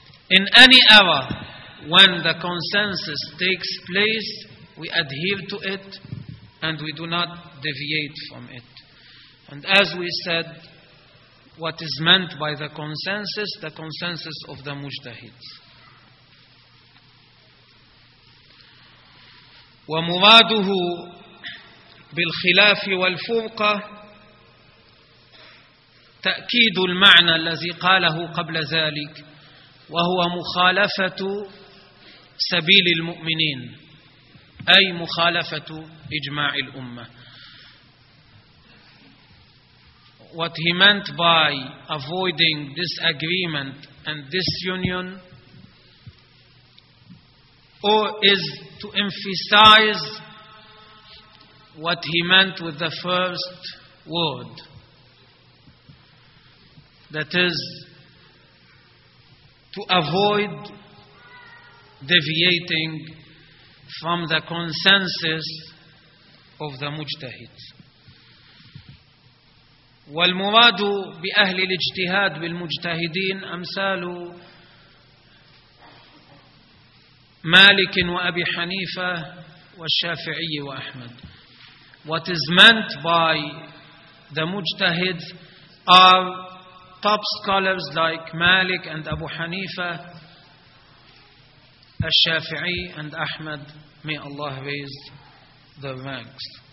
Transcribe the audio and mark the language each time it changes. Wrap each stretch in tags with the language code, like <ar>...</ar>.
<en>In any era, when the consensus takes place, we adhere to it and we do not deviate from it. And as we said, what is meant by the consensus of the mujtahids.</en> <ar>ومراده بالخلاف والفرقة تأكيد المعنى الذي قاله قبل ذلك وهو مخالفة سبيل المؤمنين أي مخالفة إجماع الأمة.</ar> <en>What he meant by avoiding disagreement and disunion or is to emphasize what he meant with the first word. That is, to avoid deviating from the consensus of the mujtahid.</en> <ar>والمراد بأهل الاجتهاد بالمجتهدين أمثال مالك وأبي حنيفة والشافعي وأحمد.</ar> <en>What is meant by the mujtahid are top scholars like Malik and Abu Hanifa, al-Shafi'i and Ahmad. May Allah raise the ranks.</en>